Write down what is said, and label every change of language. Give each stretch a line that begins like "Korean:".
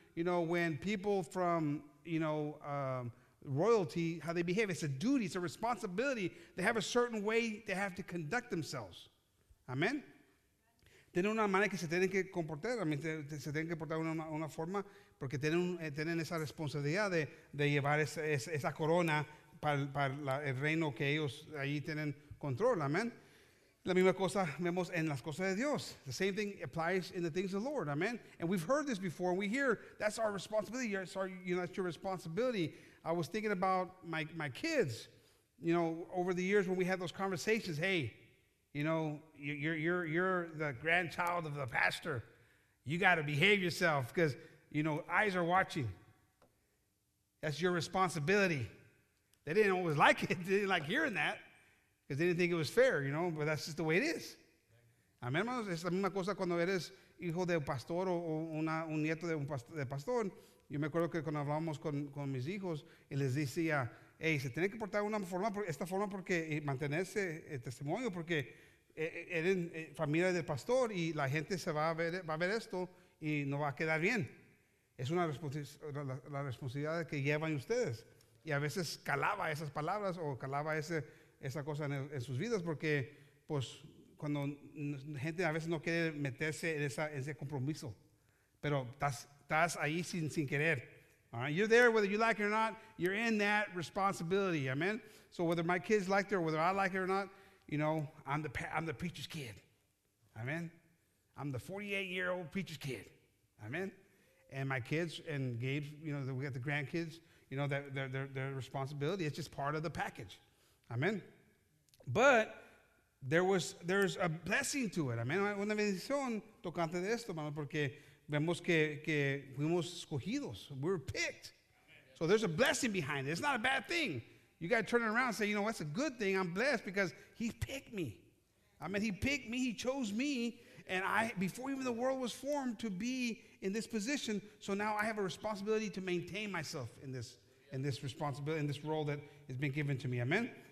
English: You know, when people from, you know, royalty, how they behave. It's a duty. It's a responsibility. They have a certain way they have to conduct themselves.
Spanish: Amén. Tienen una manera que se tienen que comportar. Amén. Se tienen que portar una forma porque tienen esa responsabilidad de llevar esa corona para el reino que ellos ahí tienen control. Amén. La misma cosa vemos en las cosas de Dios.
English: The same thing applies in the things of the Lord. Amén. And we've heard this before. We hear that's our responsibility. That's your responsibility. I was thinking about my kids. You know, over the years when we had those conversations, hey, you know, you're the grandchild of the pastor. You got to behave yourself because, you know, eyes are watching. That's your responsibility. They didn't always like it. They didn't like hearing that because they didn't think it was fair, you know, but that's just the way it is.
Spanish: Amen, hermanos. Es la misma cosa cuando eres hijo de un pastor o un nieto de un pastor. Yo me acuerdo que cuando hablábamos con mis hijos y les decía, hey, se tiene que portar una forma, esta forma, porque mantenerse el testimonio, porque eres familia del pastor y la gente se va a ver esto y no va a quedar bien. Es una la responsabilidad que llevan ustedes. Y a veces calaba esas palabras o calaba esa cosa en sus vidas, porque pues cuando gente a veces no quiere meterse en ese compromiso, pero estás ahí sin querer.
English: All right? You're there whether you like it or not. You're in that responsibility. Amen. So whether my kids like it or whether I like it or not, you know, I'm the preacher's kid. Amen. I'm the 48-year-old preacher's kid. Amen. And my kids and Gabe's, you know, we got the grandkids, you know, that their responsibility. It's just part of the package. Amen. But there's a blessing to it. Amen.
Spanish: Una bendición tocante de esto, mano, porque vemos que fuimos escogidos.
English: We were picked. So there's a blessing behind it. It's not a bad thing. You got to turn it around and say, you know, that's a good thing. I'm blessed because he picked me. I mean, he picked me. He chose me. And I, before even the world was formed, to be in this position. So now I have a responsibility to maintain myself in this role that has been given to me. Amen.